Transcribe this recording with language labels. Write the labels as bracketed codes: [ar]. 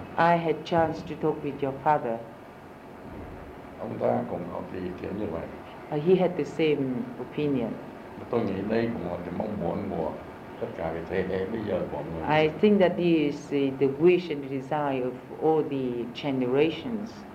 [en] I had chance to talk with your father. [vi] Ông ta cũng có ý kiến như vậy. [en] He had the same opinion. [vi] Tôi nghĩ đây cũng là cái mong muốn của tất cả cái thế hệ bây giờ của người. [en] I think that is the wish and desire of all the generations.